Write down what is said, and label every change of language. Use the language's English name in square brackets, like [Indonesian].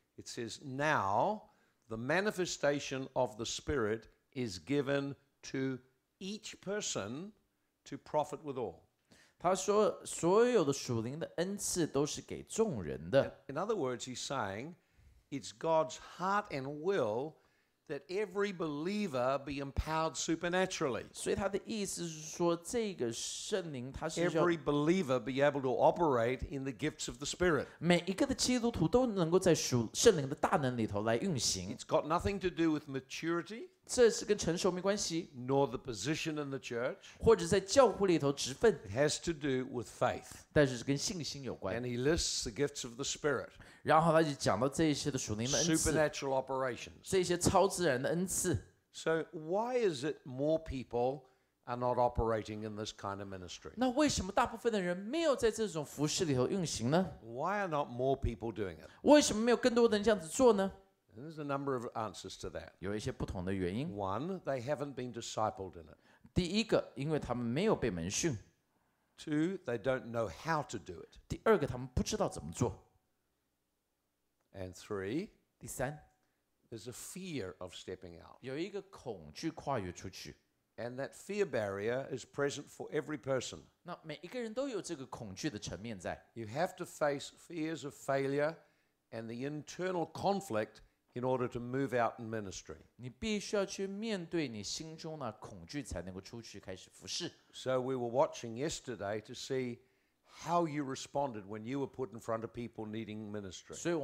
[English] it says, now the manifestation of the Spirit is given to each person to profit with all. [Chinese] 他说所有的属灵的恩赐都是给众人的。 [English] In other words, he's saying, it's God's heart and will that every believer be empowered supernaturally. [Chinese] 所以他的意思是说，这个圣灵他是要 [English] every believer be able to operate in the gifts of the Spirit. [Chinese] 每一个的基督徒都能够在圣灵的大能里头来运行。 [English] It's got nothing to do with maturity, [Chinese] 这是跟成熟没关系, [English] nor the position in the church, [Chinese] 或者在教会里头职分, [English] it has to do with faith, [Chinese] 但是跟信心有关。 [English] And he lists the gifts of the Spirit, [Chinese] 然后他就讲到这些的属灵的恩赐, [English] supernatural operations, [Chinese] 这些超自然的恩赐。 [English] So why is it more people are not operating in this kind of ministry? [Chinese] 那为什么大部分的人没有在这种服事里头运行呢? [English] Why are not more people doing it? [Chinese] 为什么没有更多的人这样子做呢? [English] There's a number of answers to that. [Chinese] 有一些不同的原因。 [English] One, they haven't been discipled in it. [Chinese] 第一个,因为他们没有被门训。 [English] Two, they don't know how to do it. [Chinese] 第二个,他们不知道怎么做。 [English] And three, [Chinese] 第三, [English] there's a fear of stepping out. [Chinese] 有一个恐惧跨越出去。 [English] And that fear barrier is present for every person. [Chinese] 那每一个人都有这个恐惧的层面在。 [English] You have to face fears of failure and the internal conflict in order to move out in ministry. [Chinese] 你必须要去面对你心中那恐惧才能够出去开始服事。 [English] So we were watching yesterday to see how you responded when you were put in front of people needing ministry.